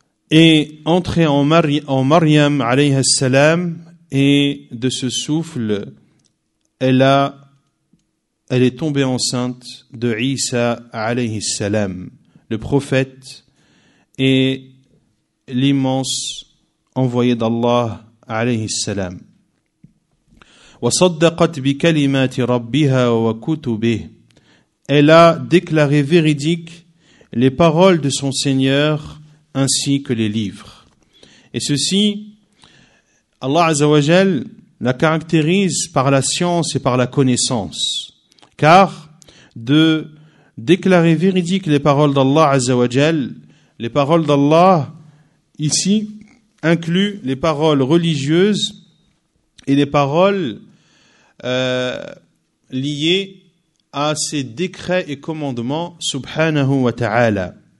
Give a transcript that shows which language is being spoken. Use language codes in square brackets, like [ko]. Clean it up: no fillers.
[fr] est entré en Maryam alayhi salam, et de ce souffle elle est tombée enceinte de Isa alayhi salam, le prophète et l'immense envoyé d'Allah alayhi salam. [ar] وصدقت بكلمات ربها وكتبه. [fr] Elle a déclaré véridique les paroles de son Seigneur ainsi que les livres. Et ceci, Allah Azza wa Jal la caractérise par la science et par la connaissance. Car de déclarer véridiques les paroles d'Allah Azza wa Jal, les paroles d'Allah ici incluent les paroles religieuses et les paroles liées à ses décrets et commandements, subhanahu wa ta'ala.